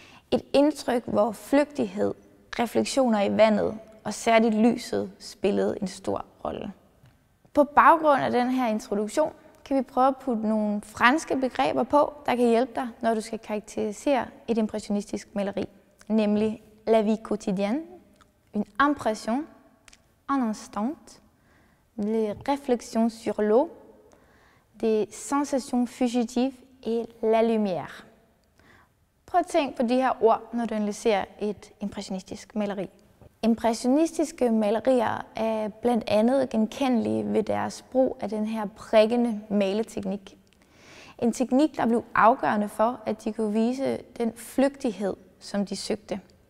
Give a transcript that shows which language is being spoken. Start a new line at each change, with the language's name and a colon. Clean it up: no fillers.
Danish: Et indtryk, hvor flygtighed, refleksioner i vandet og særligt lyset spillede en stor rolle. På baggrund af den her introduktion kan vi prøve at putte nogle franske begreber på, der kan hjælpe dig, når du skal karakterisere et impressionistisk maleri. Nemlig
French: la vie quotidienne, une impression, un instant, les réflexions sur l'eau, des sensations fugitives et la lumière.
Danish: Prøv at tænke på de her ord, når du analyserer et impressionistisk maleri. Impressionistiske malerier er blandt andet genkendelige ved deres brug af den her prikkende maleteknik. En teknik, der blev afgørende for, at de kunne vise den flygtighed, som de søgte.